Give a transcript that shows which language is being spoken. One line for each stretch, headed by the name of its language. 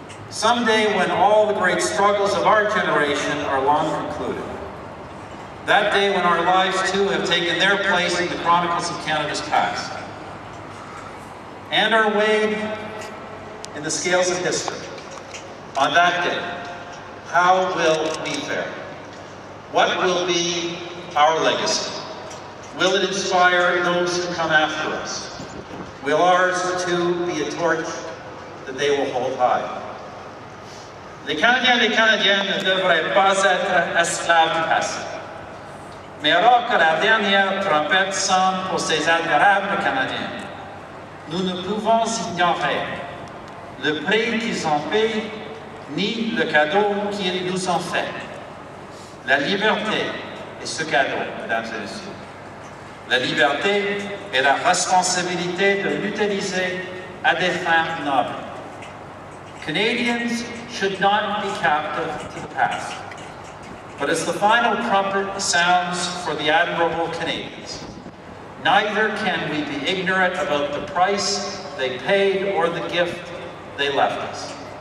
English: Someday, when all the great struggles of our generation are long concluded, that day when our lives too have taken their place in the chronicles of Canada's past, and are weighed in the scales of history, on that day, how will we fare? What will be our legacy? Will it inspire those who come after us? Will ours too be a torch that they will hold high?
French: Les Canadiens et les Canadiennes ne devraient pas être esclaves du passé. Mais alors que la dernière trompette sonne pour ces admirables Canadiens, nous ne pouvons ignorer le prix qu'ils ont payé ni le cadeau qu'ils nous ont fait. La liberté est ce cadeau, mesdames et messieurs. La liberté est la responsabilité de l'utiliser à des fins nobles.
English: Canadians should not be captive to the past. But as the final trumpet sounds for the admirable Canadians, neither can we be ignorant about the price they paid or the gift they left us.